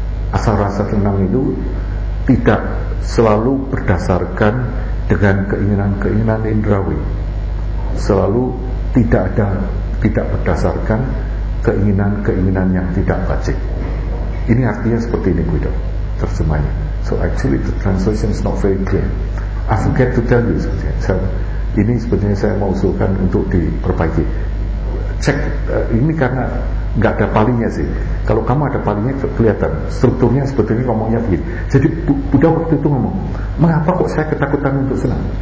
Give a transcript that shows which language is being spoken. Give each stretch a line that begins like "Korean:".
Indonesian: Asal rasa tenang itu tidak selalu berdasarkan dengan keinginan-keinginan indrawi, selalu tidak ada, tidak berdasarkan keinginan-keinginan yang tidak wajib. Ini artinya seperti ini, Guido, terjemahnya.
English: So actually the translation is not very clear. I forget to tell you something.
Indonesian: So, ini sebenarnya saya mau usulkan untuk diperbaiki. Cek ini karena nggak ada palingnya sih. Kalau kamu ada palingnya kelihatan strukturnya sebetulnya ngomongnya begini. Jadi Buddha waktu itu ngomong, mengapa kok saya ketakutan untuk senang?